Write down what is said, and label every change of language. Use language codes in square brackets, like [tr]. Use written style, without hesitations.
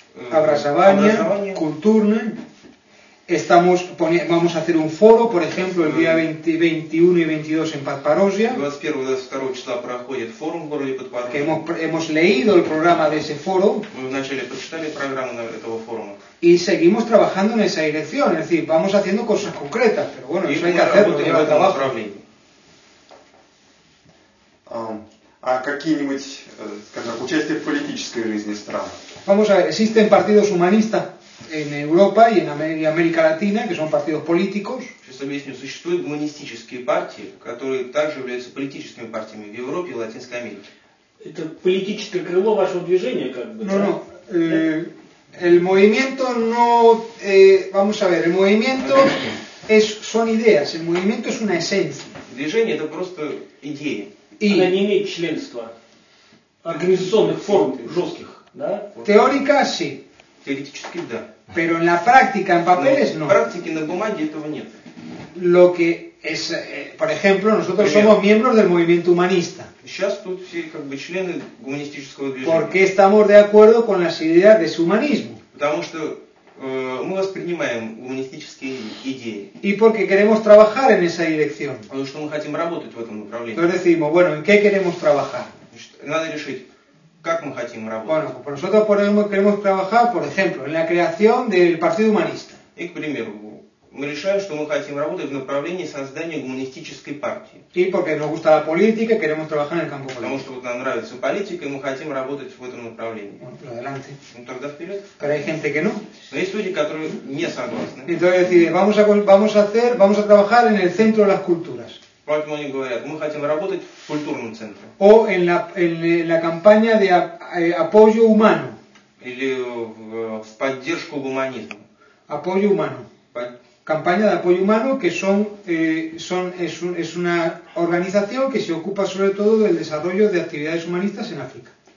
[ru] образования, культурное. [es] Estamos vamos a hacer un foro, por ejemplo, el día 21 y 22 en Podpaorozhye. [ru] 21-22 числа проходит форум в городе Подпорожье. [es] Hemos leído el programa de ese foro. [ru] Мы вначале прочитали программу этого форума. [es] Y seguimos trabajando en esa dirección, es decir, vamos haciendo cosas concretas, pero bueno, eso hay que hacerlo en el направлении. [ru] А какие-нибудь, скажем, участие в политической жизни стран? [es] Vamos a ver, existen partidos humanistas. En Europa y en América Latina, que son partidos políticos. [ru] Сейчас объясню, существуют гуманистические партии, которые также являются политическими партиями в Европе и Латинской Америке. Это политическое крыло вашего движения, как бы? [es] No. El movimiento no. Vamos a ver, el movimiento son ideas. El movimiento es una esencia. [ru] Движение это просто идеи. И она не имеет членства, организационных форм жестких, да? [es] Теорика, sí. [ru] Теоретически, да. [es] Pero en la práctica, en papeles, no. [ru] В практике, на бумаге этого нет. [es] Lo que es, por ejemplo, nosotros somos miembros del movimiento humanista. [ru] Сейчас тут все как бы члены гуманистического движения. [es] Porque estamos de acuerdo con las ideas de su humanismo. [ru] Потому что мы воспринимаем гуманистические идеи. [es] Y porque queremos trabajar en esa dirección. [ru] Потому что мы хотим работать в этом направлении. [es] Entonces decimos, bueno, ¿en qué queremos trabajar? [ru] Надо решить. Как мы хотим работать? [es] Bueno, nosotros queremos trabajar, por ejemplo, en la creación del Partido Humanista. [ru] И, к примеру, мы решаем, что мы хотим работать в направлении создания гуманистической партии. [es] И porque nos gusta la política, queremos trabajar en el campo político. [ru] Потому что вот нам нравится политика, и мы хотим работать в этом направлении. [es] Bueno, adelante. [ru] Ну тогда вперед. [es] Pero hay gente que no. [ru] Но есть люди, которые не согласны. [es] Entonces decide, vamos a trabajar en el centro de las culturas. [ru] Поэтому они говорят, мы хотим работать в культурном центре. [es] O en la campaña de apoyo humano. [ru] Или в поддержку гуманизма. [es] Apoyo humano. Campaña de apoyo humano, que es una organización que se ocupa sobre todo del desarrollo de actividades humanistas en África.